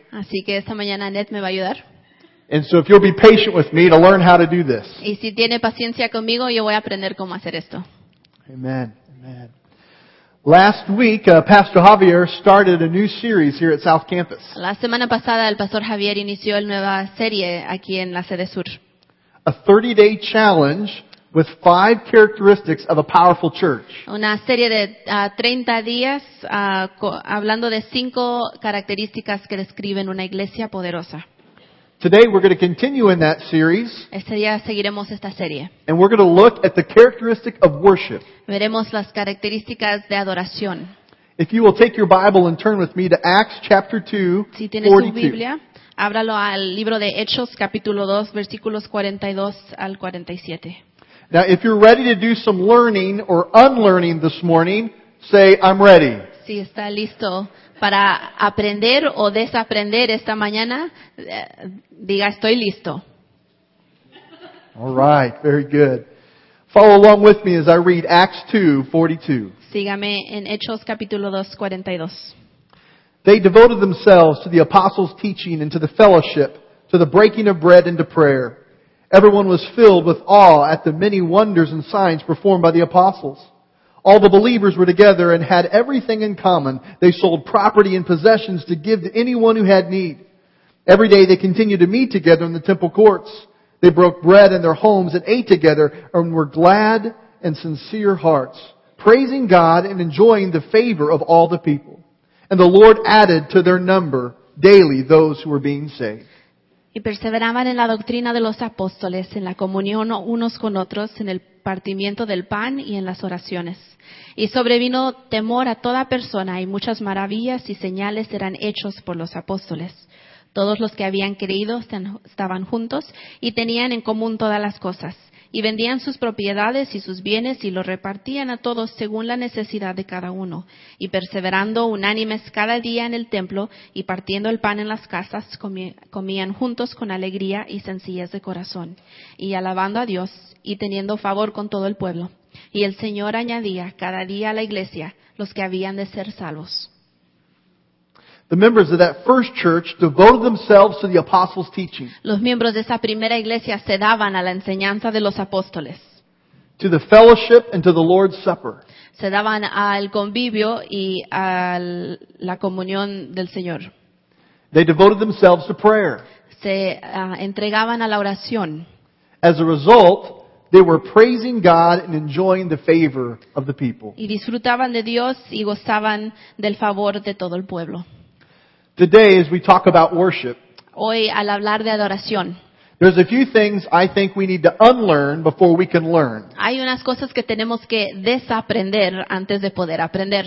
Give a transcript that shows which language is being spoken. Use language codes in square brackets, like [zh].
[es] Así que esta mañana Ned me va a ayudar. [en] And so if you'll be patient with me to learn how to do this. [es] Y si tiene paciencia conmigo, yo voy a aprender cómo hacer esto. [en] Amen. Amen. Last week, Pastor Javier started a new series here at South Campus. [es] La semana pasada el Pastor Javier inició la nueva serie aquí en la sede sur. [en] A 30-day challenge with 5 characteristics of a powerful church. [es] Una serie de 30 días hablando de 5 características que describen una iglesia poderosa. [en] Today we're going to continue in that series. [es] Este día seguiremos esta serie. [en] And we're going to look at the characteristic of worship. [es] Veremos las características de adoración. [en] If you will take your Bible and turn with me to Acts chapter 2, 42. [es] Si tienes 42. Su Biblia, ábralo al libro de Hechos capítulo 2 versículos 42 al 47. [en] Now, if you're ready to do some learning or unlearning this morning, say, I'm ready. [es] Si está listo para aprender o desaprender esta mañana, diga, estoy listo. [en] All right, very good. Follow along with me as I read Acts 2, 42. [es] Sígame en Hechos capítulo 2, 42. [en] They devoted themselves to the apostles' teaching and to the fellowship, to the breaking of bread and to prayer. Everyone was filled with awe at the many wonders and signs performed by the apostles. All the believers were together and had everything in common. They sold property and possessions to give to anyone who had need. Every day they continued to meet together in the temple courts. They broke bread in their homes and ate together and were glad and sincere hearts, praising God and enjoying the favor of all the people. And the Lord added to their number daily those who were being saved. [es] Y perseveraban en la doctrina de los apóstoles, en la comunión unos con otros, en el partimiento del pan y en las oraciones. Y sobrevino temor a toda persona, y muchas maravillas y señales eran hechos por los apóstoles. Todos los que habían creído estaban juntos y tenían en común todas las cosas. Y vendían sus propiedades y sus bienes y los repartían a todos según la necesidad de cada uno. Y perseverando unánimes cada día en el templo y partiendo el pan en las casas, comían juntos con alegría y sencillez de corazón. Y alabando a Dios y teniendo favor con todo el pueblo. Y el Señor añadía cada día a la iglesia los que habían de ser salvos. [en] The members of that first church devoted themselves to the apostles' teaching. [es] Los miembros de esa primera iglesia se daban a la enseñanza de los apóstoles. [en] To the fellowship and to the Lord's Supper. [es] Se daban al convivio y a la comunión del Señor. [en] They devoted themselves to prayer. [es] Se entregaban a la oración. [en] As a result, they were praising God and enjoying the favor of the people. [es] Y disfrutaban de Dios y gozaban del favor de todo el pueblo. [en] Today, as we talk about worship, [es] hoy, al hablar de adoración, [en] there's a few things I think we need to unlearn before we can learn. [es] Hay unas cosas que tenemos que desaprender antes de poder aprender.